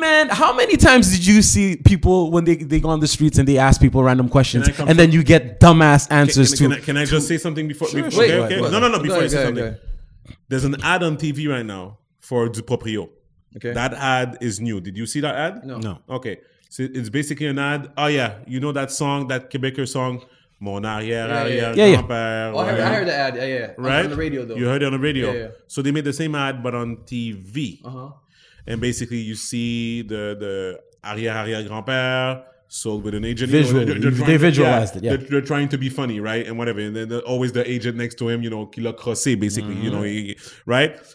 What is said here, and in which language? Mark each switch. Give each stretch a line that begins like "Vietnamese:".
English: Man, how many times did you see people when they go on the streets and they ask people random questions and then you get dumbass answers to? Can I just say something before? There's an ad on TV right now for Duproprio. Okay. That ad is new. Did you see that ad? No. Okay. So it's basically an ad. Oh, yeah. You know that song, that Quebecer song?
French: Mon arrière-arrière-grand-père.
English: Yeah. Oh, I heard the ad. Yeah. Right? On the radio, though. You heard it on the radio. Yeah. So they made the same ad, but on TV. Uh-huh. And basically, you see the arrière-arrière-grand-père sold with an agent. They visualized it. They're trying to be funny, right? And whatever. And then always the agent next to him, you know,
French: qui l'a crossé,
English: basically. Mm-hmm. You know, right?